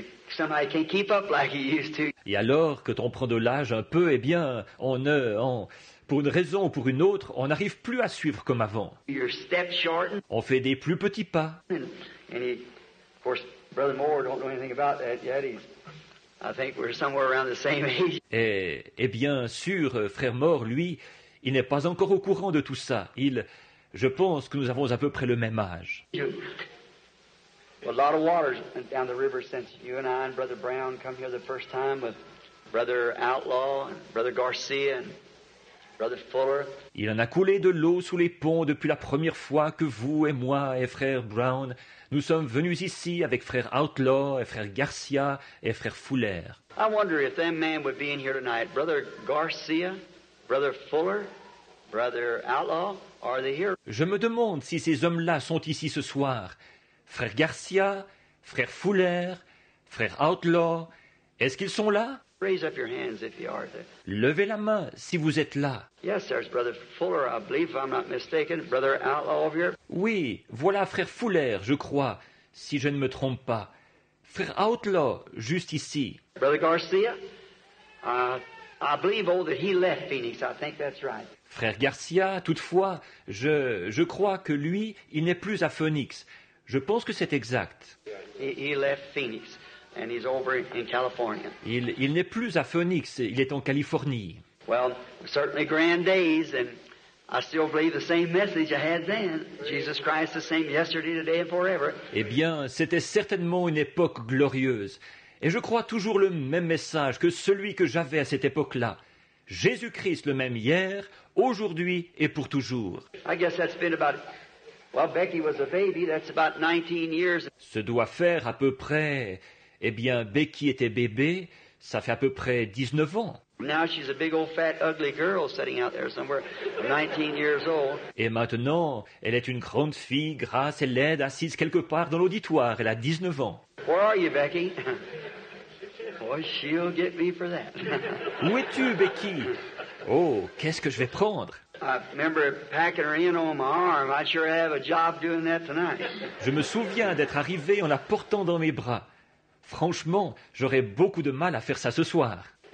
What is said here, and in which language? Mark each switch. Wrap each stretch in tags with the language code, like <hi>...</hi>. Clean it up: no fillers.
<en>Somebody can't keep up like he used to.</en> <fr>Et alors, quand on prend de l'âge un peu, eh bien, pour une raison ou pour une autre, on n'arrive plus à suivre comme avant.</fr> <en>Your step shortened.</en> <fr>On fait des plus petits pas.</fr> <en>And he, of course, Brother Moore don't know anything about that yet. He's, I think we're somewhere around the same age.</en> <fr>Et bien sûr, Frère Moore, lui, il n'est pas encore au courant de tout ça. Je pense que nous avons à peu près le même âge.</fr> <en>A lot of waters down the river since you and I and Brother Brown come here the first time with Brother Outlaw and Brother Garcia and Brother Fuller.</en> <fr>Il en a coulé de l'eau sous les ponts depuis la première fois que vous et moi et Frère Brown nous sommes venus ici avec Frère Outlaw et Frère Garcia et Frère Fuller.</fr> <en>I wonder if them men would be in here tonight, Brother Garcia, Brother Fuller, Brother Outlaw, are they here?</en> <fr>Je me demande si ces hommes-là sont ici ce soir. Frère Garcia, Frère Fuller, Frère Outlaw, est-ce qu'ils sont là?</fr> <en>Raise up your hands if you are there.</en> <fr>Levez la main si vous êtes là.</fr> <en>Yes, there's Brother Fuller, I believe, if I'm not mistaken. Brother Outlaw over here.</en> <fr>Oui, voilà Frère Fuller, je crois, si je ne me trompe pas. Frère Outlaw, juste ici.</fr> <en>Brother Garcia, I believe all that he left Phoenix, I think that's right.</en> <fr>Frère Garcia, toutefois, je crois que lui, il n'est plus à Phoenix. Je pense que c'est exact.</fr> <en>He left Phoenix and he's over in California.</en> <fr>Il n'est plus à Phoenix, il est en Californie.</fr> <en>Well, certainly grand days and I still believe the same message I had then. Jesus Christ the same yesterday, today and forever.</en> <fr>Eh bien, c'était certainement une époque glorieuse et je crois toujours le même message que celui que j'avais à cette époque-là. Jésus-Christ le même hier, aujourd'hui et pour toujours.</fr> <en>I guess that's been about Well, Becky was a baby, that's about 19 years.</en> <fr>Ce doit faire à peu près, eh bien, Becky était bébé, ça fait à peu près 19 ans.</fr> <en>Now she's a big old fat ugly girl sitting out there somewhere, 19 years old.</en> <fr>Et maintenant, elle est une grande fille, grasse et laide, assise quelque part dans l'auditoire, elle a 19 ans.</fr> <en>Where are you, Becky? Boy, she'll get me for that.</en> <fr>Où es-tu, Becky? Oh, qu'est-ce que je vais prendre?</fr> <en>I remember packing her in on my arm. I sure have a job doing that tonight.</en> <fr>Je me souviens d'être arrivé en la portant dans mes bras. Franchement, j'aurais beaucoup de mal à faire ça ce soir.</fr>